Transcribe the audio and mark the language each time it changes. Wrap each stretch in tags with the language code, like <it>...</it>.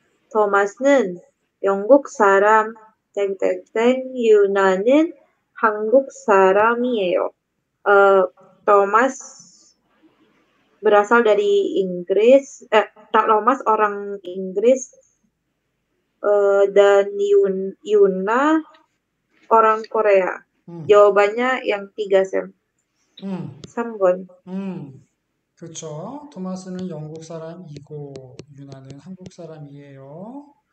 <ko>Thomas는 영국 사람, 땡땡땡, 유나는 한국 사람이에요.</ko> <id>Thomas berasal dari Inggris, tak Thomas orang Inggris, dan Yuna orang Korea. Jawabannya yang tiga, Sam. Sambon. Kecuali</id> <ko>토마스는 영국 사람이고 유나는 한국 사람이에요.</ko>